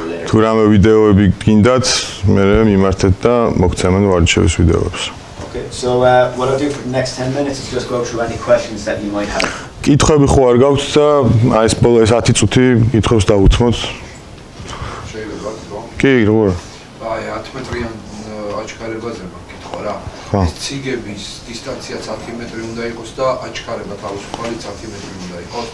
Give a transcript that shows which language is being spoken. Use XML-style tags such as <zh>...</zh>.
<ka>თუ რამე ვიდეოები გინდათ, მე მიმართეთ და მოგცემენ ვარჯიშების ვიდეოებს.</ka> <en>Okay, so what I'll do for the next 10 minutes is just go through any questions that you might have.</en> <ka>კითხვები ხო არ გაქვთ და აი ეს ბოლოს 10 წუთი კითხვებს დავუთმოთ. შეიძლება რა. კი, როგორ? აი 10 მეტრიან აჩქარებას გეკითხა რა. ციგების დისტანცია 10 მეტრი უნდა იყოს და აჩქარება თავისუფალი 10 მეტრი უნდა იყოს.</ka>